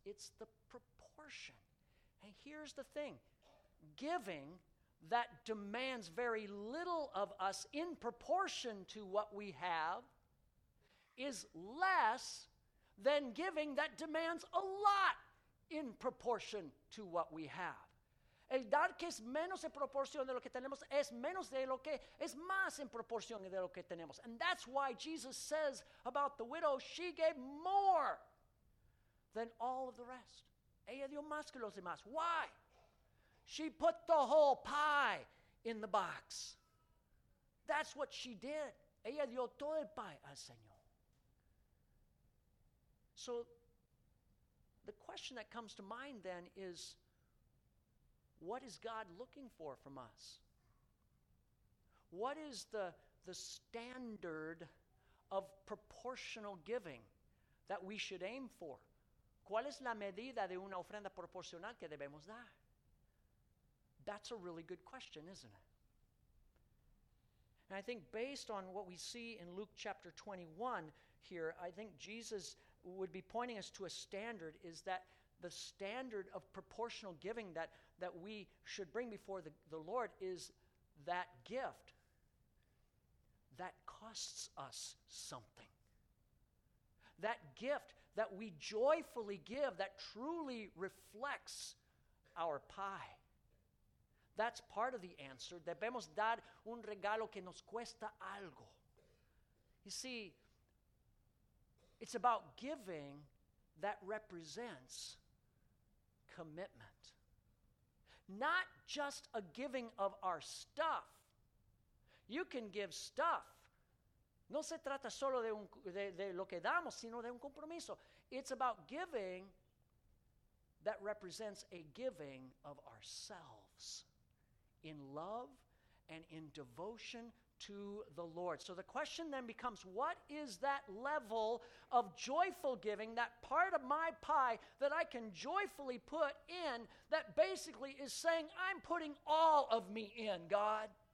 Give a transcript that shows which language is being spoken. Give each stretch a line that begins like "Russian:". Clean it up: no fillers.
English: It's the proportion. And here's the thing. Giving that demands very little of us in proportion to what we have is less than giving that demands a lot in proportion to what we have.
Spanish: El dar que es menos en proporción de lo que tenemos es menos de lo que es más en proporción de lo que tenemos.
English: And that's why Jesus says about the widow, she gave more than all of the rest.
Spanish: Ella dio más que los demás.
English: Why? She put the whole pie in the box. That's what she did.
Spanish: Ella dio todo el pie al Señor.
English: So the question that comes to mind then is, what is God looking for from us? What is the standard of proportional giving that we should aim for?
Spanish: ¿Cuál es la medida de una ofrenda proporcional que debemos dar?
English: That's a really good question, isn't it? And I think based on what we see in Luke chapter 21 here, I think Jesus would be pointing us to a standard, is that the standard of proportional giving that we should bring before the Lord is that gift that costs us something. That gift that we joyfully give that truly reflects our pie. That's part of the answer.
Spanish: Debemos dar un regalo que nos cuesta algo.
English: You see, it's about giving that represents commitment. Not just a giving of our stuff. You can give stuff.
Spanish: No se trata solo de lo que damos, sino de un compromiso.
English: It's about giving that represents a giving of ourselves in love and in devotion to the Lord. So the question then becomes, what is that level of joyful giving, that part of my pie that I can joyfully put in that basically is saying, I'm putting all of me in, God.